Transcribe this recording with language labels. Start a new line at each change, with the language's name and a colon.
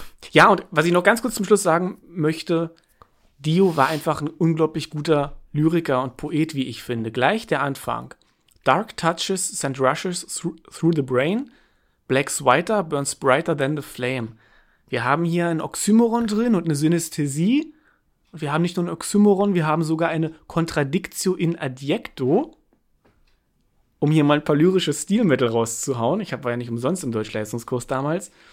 German: Ja, und was ich noch ganz kurz zum Schluss sagen möchte, Dio war einfach ein unglaublich guter Lyriker und Poet, wie ich finde. Gleich der Anfang.
English: Dark touches send rushes through the brain. Blacks whiter, burns brighter than the flame.
German: Wir haben hier ein Oxymoron drin und eine Synästhesie. Wir haben nicht nur ein Oxymoron, wir haben sogar eine Contradictio in adjecto, um hier mal ein paar lyrische Stilmittel rauszuhauen. Ich war ja nicht umsonst im Deutschleistungskurs damals.